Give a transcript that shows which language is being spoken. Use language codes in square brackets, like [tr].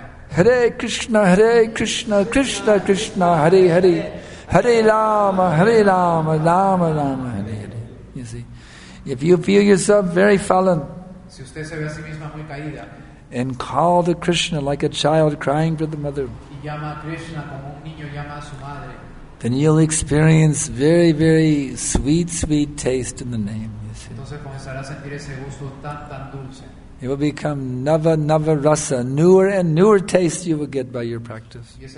[sa] Hare Krishna, Hare Krishna, Krishna Krishna, Hare Hare, Hare Rama, Hare Rama, Rama Rama, Hare Hare. [en] You see, if you feel yourself very fallen, [es] si usted se ve a sí misma muy caída, [en] and call to Krishna like a child crying for the mother, [es] y llama a Krishna como un niño llama a su madre, [en] then you'll experience very, very sweet, sweet taste in the name. You see. [es] Entonces comenzará a sentir ese gusto tan, tan dulce. [en] It will become nava nava rasa, newer and newer taste you will get by your practice.